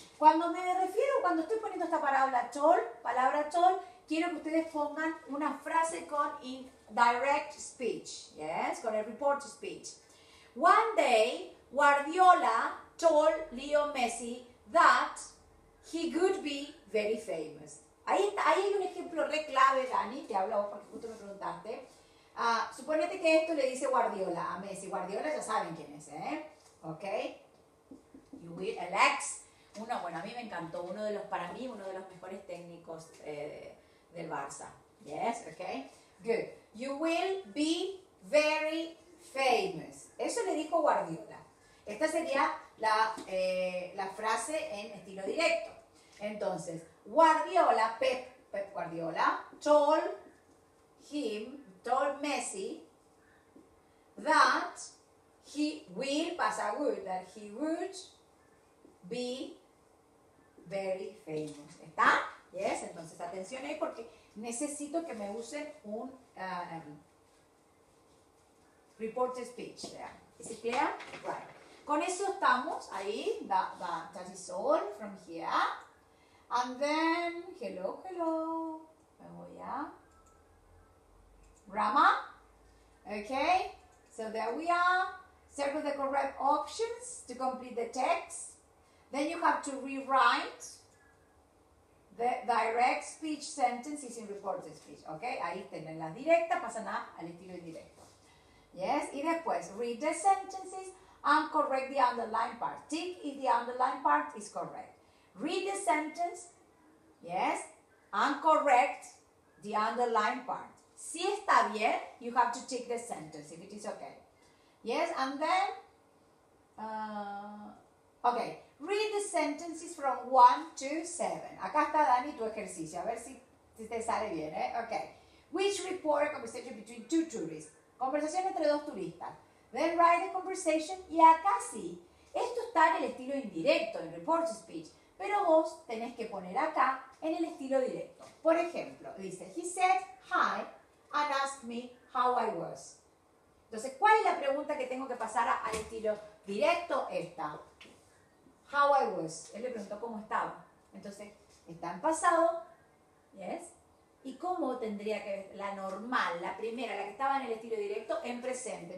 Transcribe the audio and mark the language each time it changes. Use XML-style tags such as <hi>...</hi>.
<es>Cuando me refiero, cuando estoy poniendo esta palabra tall, quiero que ustedes pongan una frase con direct speech, yes, con el report speech.</es> <en>One day, Guardiola told Leo Messi that he could be very famous.</en> <es>Ahí hay un ejemplo re clave, Dani, te hablo porque justo me preguntaste. Suponete que esto le dice Guardiola a Messi. Guardiola ya saben quién es, ¿eh? Ok.</es> <en>You will, Alex.</en> <es>Uno, bueno, a mí me encantó. Uno de los, para mí, uno de los mejores técnicos del Barça.</es> <en>Yes, ok. Good. You will be very famous.</en> <es>Eso le dijo Guardiola. Esta sería la, la frase en estilo directo.</es> <en>Entonces, Guardiola, Pep Guardiola, told Messi that he will, that he would be very famous.</en> <es>¿Está? Yes, entonces atención ahí porque necesito que me usen un report speech. ¿Es</es> <en>clear? Right.</en> <es>Con eso estamos ahí,</es> <en>that is all from here. And then, hello,</en> <es>me voy a Rama,</es> <en>okay, so there we are, circle the correct options to complete the text, then you have to rewrite the direct speech sentences in reported speech, okay,</en> <es>ahí tienen las directas, pasan al estilo indirecto, yes, y después</es> <en>read the sentences and correct the underlined part, tick if the underlined part is correct. Read the sentence, yes, and correct the underlined part.</en> <es>Si está bien,</es> <en>you have to tick the sentence, if it is okay. Yes, and then, okay, read the sentences from 1 to 7.</en> <es>Acá está, Dani, tu ejercicio, a ver si te sale bien, ¿eh?</es> <en>Okay, which report a conversation between two tourists?</en> <es>Conversación entre dos turistas.</es> <en>Then write the conversation,</en> <es>y acá sí. Esto está en el estilo indirecto, en report speech. Pero vos tenés que poner acá en el estilo directo. Por ejemplo, dice,</es> <en>he said hi and asked me how I was.</en> <es>Entonces, ¿cuál es la pregunta que tengo que pasar al estilo directo? Esta.</es> <en>How I was.</en> <es>Él le preguntó cómo estaba. Entonces, está en pasado. Yes. ¿Y cómo tendría que ver la normal, la primera, la que estaba en el estilo directo, en presente?</es>